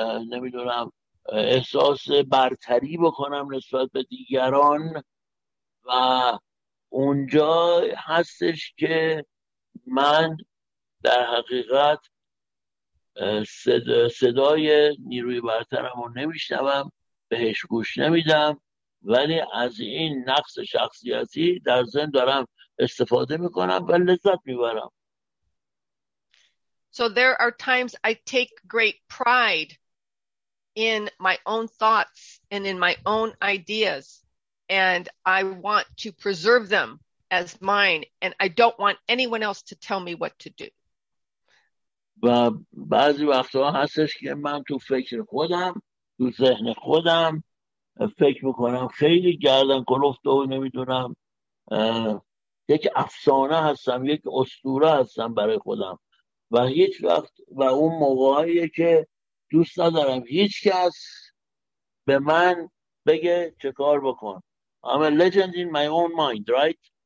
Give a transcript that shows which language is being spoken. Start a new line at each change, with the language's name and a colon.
Persian: نمیدونم احساس برتری بکنم نسبت به دیگران و اونجا هستش که من در حقیقت صدای نیروی برترم رو نمیشنوم، بهش گوش نمیدم ولی از این نقص شخصیتی در ذهن دارم استفاده می کنم و لذت می برم.
English: So there are times I take great pride in my own thoughts and in my own ideas and I want to preserve them as mine and I don't want anyone else to tell me what to do.
Persian: و بعضی وقتا هستش که من تو فکر خودم، تو ذهن خودم فکر میکنم خیلی گردن کلفت و نمیدونم یک افسانه هستم، یک اسطوره هستم برای خودم و هیچ وقت و اون موقعیه که دوست ندارم هیچ کس به من بگه چه کار بکن.
English: I'm a legend in my own mind, right?